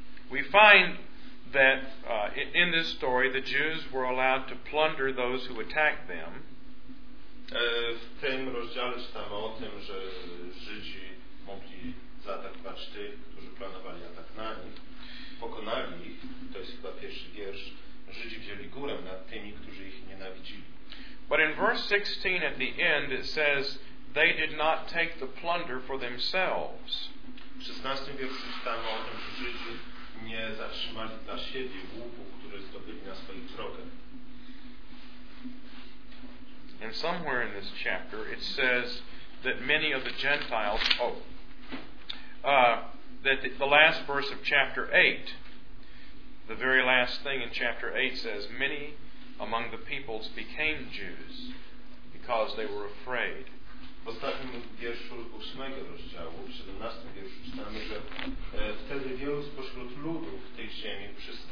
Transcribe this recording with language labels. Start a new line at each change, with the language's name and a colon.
English: We find that in this story the Jews were allowed to plunder those who attacked them.
Polish: W tym rozdziale czytamy o tym, że Żydzi mogli zaatakować tych, którzy planowali atak na nich. Pokonali ich, to jest chyba pierwszy wiersz. Żydzi wzięli górę nad tymi, którzy ich nienawidzili.
English: But in verse 16 at the end it says they did not take the plunder for themselves.
Polish: W 16 wierszu czytamy o tym, że Żydzi nie zatrzymali dla siebie łupów, które zdobyli na swoich drogach.
English: And somewhere in this chapter it says that many of the Gentiles, that the last verse of chapter 8, the very last thing in chapter 8 says, many among the peoples became Jews because they were afraid.
Polish: W ostatnim wierszu 8 rozdziału, w 17 wierszu czytamy, że wtedy wielu spośród ludów w tej ziemi przy